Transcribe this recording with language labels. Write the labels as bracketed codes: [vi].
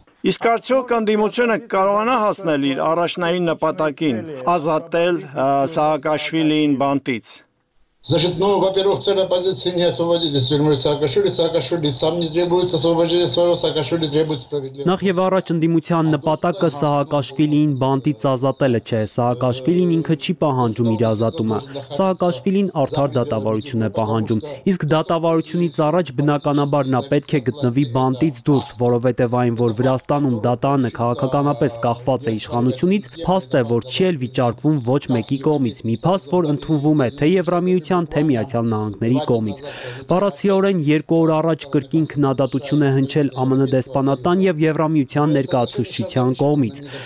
[hy] Իսկ արդյոք ընդդիմությունը կարողանա հասնել իր առաջնային նպատակին՝ ազատել Սաակաշվիլին բանտից։ [ru] Значит, ну, во-первых, цель оппозиции не освободить из тюрьмы Саакашвили. Саакашвили сам не требует освобождения своего, Саакашвили требует справедливости. [hy] Նախ եւ առաջ ընդդիմության նպատակը Սահակաշվիլին բանտից ազատելը չէ։ Սահակաշվիլին ինքը չի պահանջում իր ազատումը։ Սահակաշվիլին արդար դատավարություն է պահանջում։ Իսկ դատավարությունից առաջ բնականաբար նա պետք է գտնվի բանտից դուրս, որովհետեւ այն, որ Վրաստանում դատանը քաղաքականապես կախված է իշխանությունից, փաստ է, որ չի էլ վիճարկվում ոչ մեկի կողմից, մի փաստ, որ ընդունվում է թե Եվրամիության, թե Միացյալ Նահանգների կողմից։ Բառացիորեն 200 առաջ կրկին քննադատություն է հնչել ԱՄՆ դեսպանատան եւ Եվրամիության ներկայացուցչության կողմից։